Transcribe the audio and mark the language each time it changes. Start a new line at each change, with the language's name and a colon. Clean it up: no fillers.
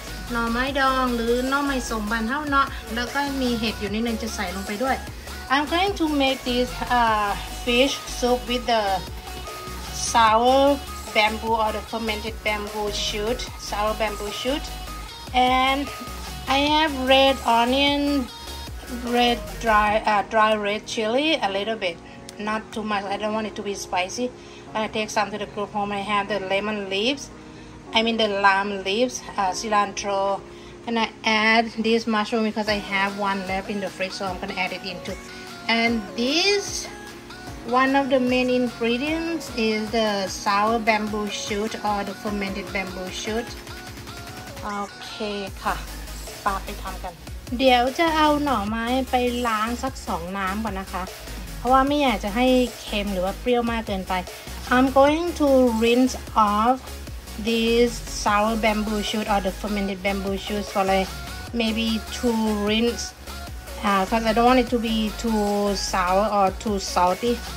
Thai: หน่อไม้ดองหรือหน่อไม้สมบันเท่าเนาะแล้วก็มีเห็ดอยู่นิดนึงจะใส่ลงไปด้วย
English: I'm going to make this fish soup with the sour bamboo or the fermented bamboo shoot sour bamboo shootAnd I have red onion, dry red chili, a little bit, not too much. I don't want it to be spicy. I take some to the group home. I have the lemon leaves, the lime leaves, cilantro. And I add this mushroom because I have one left in the fridge, so I'm going to add it into. And this, one of the main ingredients is the sour bamboo shoot or the fermented bamboo shoot.
Thai: โอเคค่ะปลาไปทำกันเดี๋ยวจะเอาหน่อไม้ไปล้างสัก2น้ำก่อนนะคะเพราะว่าไม่อยากจะให้เค็มหรือว่าเปรี้ยวมากเกินไป
English: I'm going to rinse off this sour bamboo shoot or the fermented bamboo shoot for like maybe two rinse because I don't want it to be too sour or too salty